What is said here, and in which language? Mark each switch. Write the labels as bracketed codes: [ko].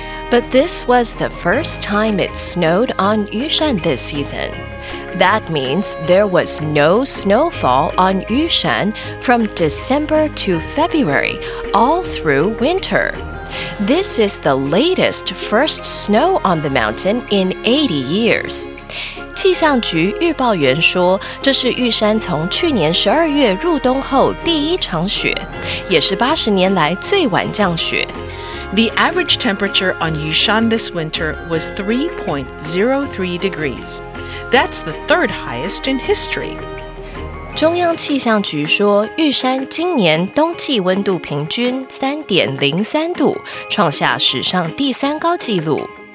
[en] But this was the first time it snowed on Yushan this season. That means there was no snowfall on Yushan from December to February, all through winter. This is the latest first snow on the mountain in 80 years. [zh] 气象局预报员说，这是玉山从去年12月入冬后第一场雪，也是80年来最晚降雪。 [en] The average temperature on Yushan this winter was 3.03 degrees. That's the third highest in history. [zh] 中央气象局说，玉山今年冬季温度平均 3.03 度，创下史上第三高纪录。